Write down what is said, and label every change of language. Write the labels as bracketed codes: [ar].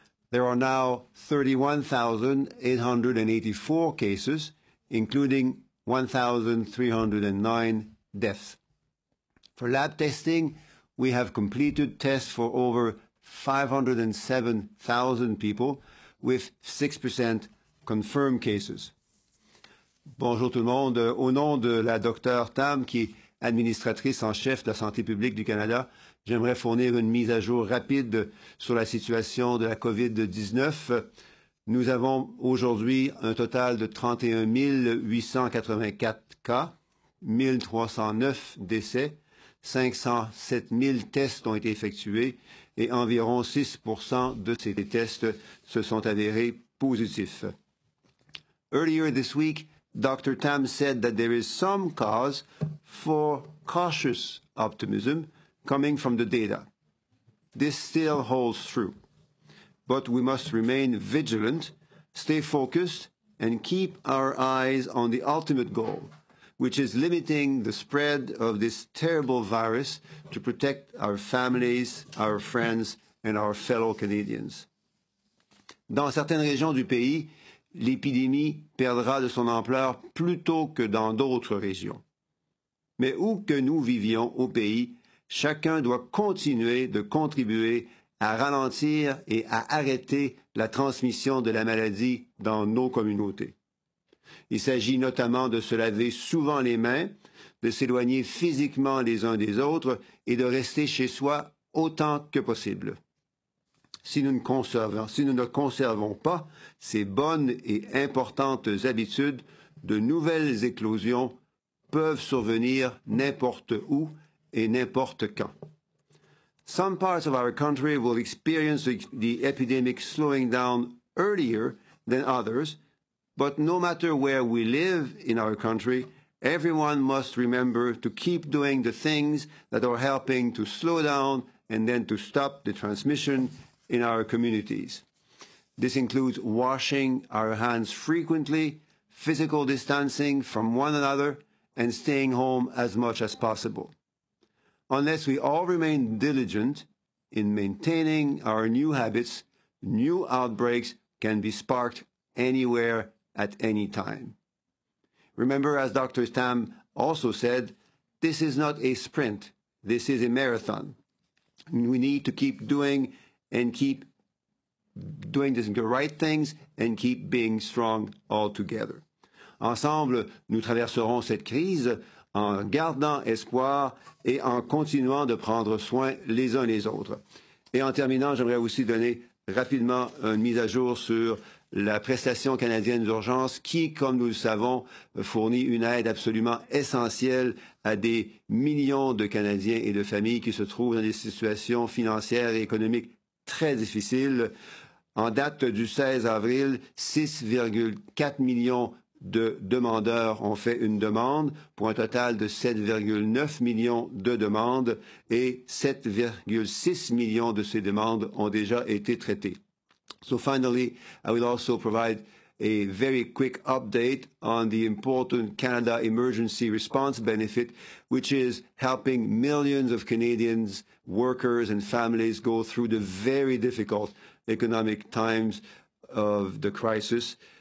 [en] There are now 31,884 cases, including 1,309 deaths. For lab testing, we have completed tests for over 507,000 people with 6% confirmed cases. [fr] Bonjour tout le monde. Au nom de la Dr. Tam, qui est administratrice en chef de la santé publique du Canada, j'aimerais fournir une mise à jour rapide sur la situation de la COVID-19. Nous avons aujourd'hui un total de 31 884 cas, 1309 décès, 507 000 tests ont été effectués et environ 6% de ces tests se sont avérés positifs. [en] Earlier this week, Dr. Tam said that there is some cause for cautious optimism coming from the data. This still holds true. But we must remain vigilant, stay focused, and keep our eyes on the ultimate goal, which is limiting the spread of this terrible virus to protect our families, our friends, and our fellow Canadians. [fr] Dans certaines régions du pays, l'épidémie perdra de son ampleur plus tôt que dans d'autres régions. Mais où que nous vivions au pays, chacun doit continuer de contribuer à ralentir et à arrêter la transmission de la maladie dans nos communautés. Il s'agit notamment de se laver souvent les mains, de s'éloigner physiquement les uns des autres et de rester chez soi autant que possible. Si nous ne conservons pas ces bonnes et importantes habitudes, de nouvelles éclosions peuvent survenir n'importe où et n'importe quand. [en] Some parts of our country will experience the epidemic slowing down earlier than others, but no matter where we live in our country, everyone must remember to keep doing the things that are helping to slow down and then to stop the transmission in our communities. This includes washing our hands frequently, physical distancing from one another, and staying home as much as possible. Unless we all remain diligent in maintaining our new habits, new outbreaks can be sparked anywhere at any time. Remember, as Dr. Tam also said, this is not a sprint, this is a marathon. We need to keep doing the right things and keep being strong all together. [fr] Ensemble, nous traverserons cette crise en gardant espoir et en continuant de prendre soin les uns les autres. Et en terminant, j'aimerais aussi donner rapidement une mise à jour sur la prestation canadienne d'urgence qui, comme nous le savons, fournit une aide absolument essentielle à des millions de Canadiens et de familles qui se trouvent dans des situations financières et économiques très difficiles. En date du 16 avril, 6,4 millions de demandeurs ont fait une demande pour un total de 7,9 millions de demandes et 7,6 millions de ces demandes ont déjà été traitées. [en] So finally, I will also provide a very quick update on the important Canada Emergency Response Benefit, which is helping millions of Canadians, workers and families go through the very difficult economic times of the crisis.